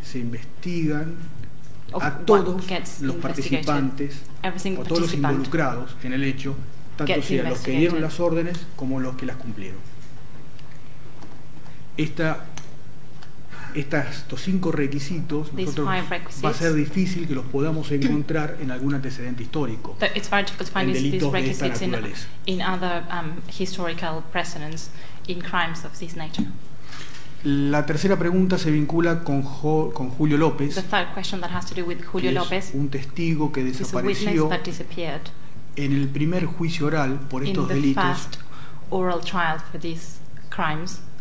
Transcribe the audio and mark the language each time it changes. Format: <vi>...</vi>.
<es>Se investigan a todos los participantes o todos los involucrados en el hecho, tanto sea los que dieron las órdenes como los que las cumplieron. Estos cinco requisitos nosotros va a ser difícil que los podamos encontrar en algún antecedente histórico en delitos de esta naturaleza.</es> <en>In other historical precedents in crimes of this nature.</en> <es>La tercera pregunta se vincula con Julio López.</es> <en>The third question that has to do with Julio López.</en> <es>Un testigo que desapareció en el primer juicio oral por estos delitos.</es> <en>In the first oral trial for these crimes.</en>